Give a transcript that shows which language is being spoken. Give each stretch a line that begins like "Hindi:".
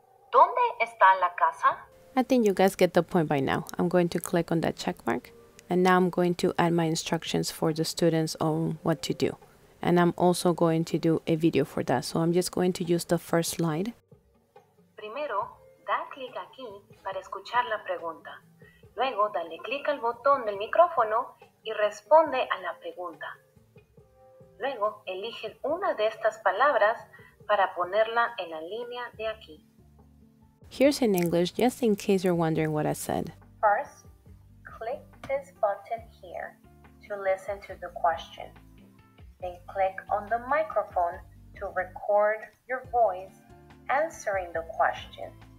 Spanish: ¿Dónde está la casa?
English: I think you guys get the point by now. I'm going to click on that check mark. And now I'm going to add my instructions for the students on what to do. And I'm also going to do a video for that. So I'm just going to use the first slide.
Spanish: Primero, da clic aquí para escuchar la pregunta. Luego, dale clic al botón del micrófono y responde a la pregunta. Luego, elige una de estas palabras para ponerla en la línea de aquí.
English: Here's in English, just in case you're wondering what I said. First, click this button here to listen to the question. Then click on the microphone to record your voice answering the question.